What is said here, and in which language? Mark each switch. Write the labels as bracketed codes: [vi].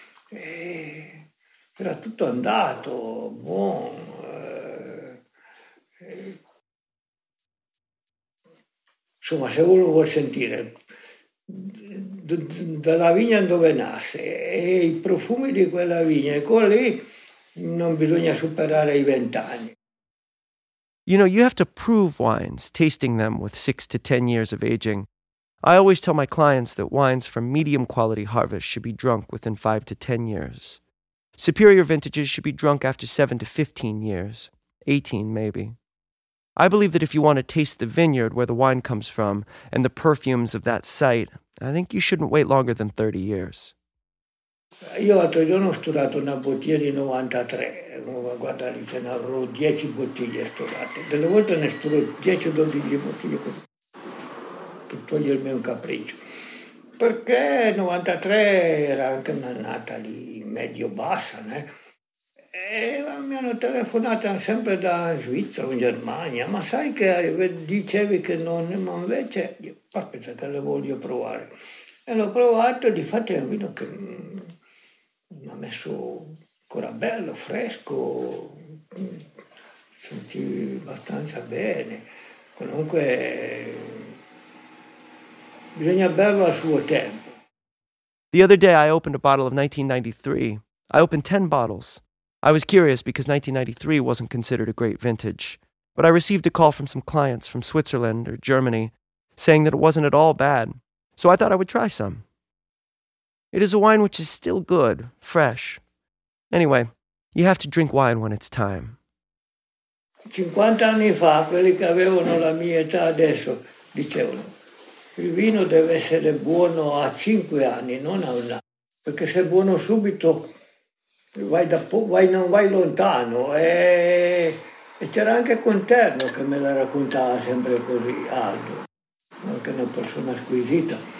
[it] E era tutto andato, buono. Insomma, se uno vuol sentire dalla vigna dove nasce e i profumi di quella vigna, e con lì non bisogna superare i 20 anni. [en] You know, you have to prove wines, tasting them with 6 to 10 years of aging. I always tell my clients that wines from medium quality harvest should be drunk within 5 to 10 years. Superior vintages should be drunk after 7 to 15 years, 18 maybe. I believe that if you want to taste the vineyard where the wine comes from and the perfumes of that site, I think you shouldn't wait longer than 30 years. [it] Io l'altro giorno ho studiato una bottiglia di 93. Guarda lì, ce ne avrò 10 bottiglie studiate. Delle volte ne studio 10 o 12 bottiglie per togliermi un capriccio. Perché 93 era anche un'annata lì medio-bassa, né? E mi hanno telefonato sempre da Svizzera, in Germania. Ma sai che dicevi che non, ma invece, aspetta che le voglio provare. E l'ho provato, difatti è un vino che mi ha messo ancora bello, fresco, sentivi abbastanza bene. Comunque bisogna berlo al suo tempo. [en] The other day I opened a bottle of 1993. I opened 10 bottles. I was curious because 1993 wasn't considered a great vintage, but I received a call from some clients from Switzerland or Germany saying that it wasn't at all bad, so I thought I would try some. It is a wine which is still good, fresh. Anyway, you have to drink wine when it's time. [it] 50 anni fa, quelli che avevano la mia età adesso dicevano: il vino deve essere buono a 5 anni, non a un anno, perché se è buono subito. Vai lontano, e c'era anche Conterno che me la raccontava sempre così, Aldo, anche una persona squisita.